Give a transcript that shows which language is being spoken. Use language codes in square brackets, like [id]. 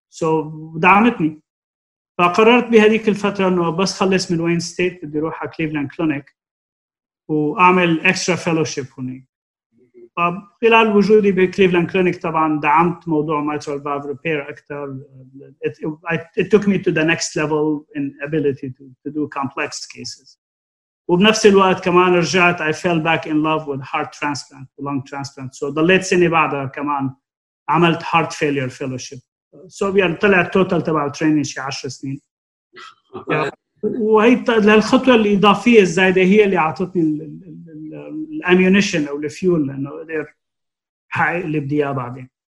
[ar] so دعمتني فقررت بهذيك الفترة إنه بس خلص من وين ستيت بدي أروح على كليفلاند كلينيك وأعمل إكسترا فيلوشيب هني. خلال وجودي بكليفلاند كلينيك طبعا دعمت موضوع ميترال فالف ريبير اكثر. [en] It took me to the next level in ability to do complex cases. [ar] وبنفس الوقت كمان رجعت [en] I fell back in love with heart transplant, lung transplant. [ar] So ضليت سنة بعدها كمان عملت [en] heart failure fellowship. [ar] So يعني طلع التوتال تبع التريننج شي 10 سنين. وهي الخطوة الإضافية الزايدة هي اللي عطتني الأميونيشن أو الفيول لأنه قدر حقيق اللي بدي إياه بعدين.